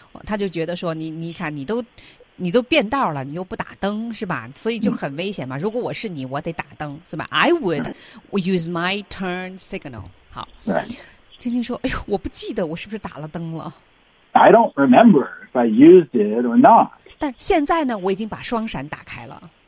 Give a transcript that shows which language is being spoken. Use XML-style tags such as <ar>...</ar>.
<zh>他就觉得说，你看，你都变道了，你又不打灯，是吧？所以就很危险嘛。如果我是你，我得打灯，是吧 ？</zh> <en>I would use my turn signal.</en> <zh>好。晶晶说：“哎呦，我不记得我是不是打了灯了。</zh> <en>I don't remember if I used it or not.</en> <zh>但现在呢，我已经把双闪打开了。</zh>